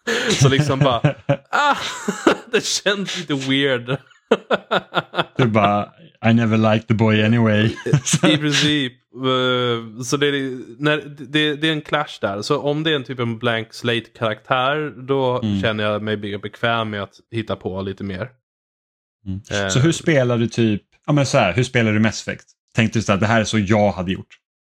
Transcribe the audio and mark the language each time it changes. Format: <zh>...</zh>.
<sv>Så liksom bara, det känns lite weird. Du bara,</sv> <en>I never liked the boy anyway.</en> <sv>I princip. Så det är en clash där. Så om det är en typ av blank slate karaktär, då känner jag mig bekväm med att hitta på lite mer. Så hur spelar du typ, Ja, men så här, hur spelar du Mass Effect? Tänkte du så att det här är så jag hade gjort?</sv>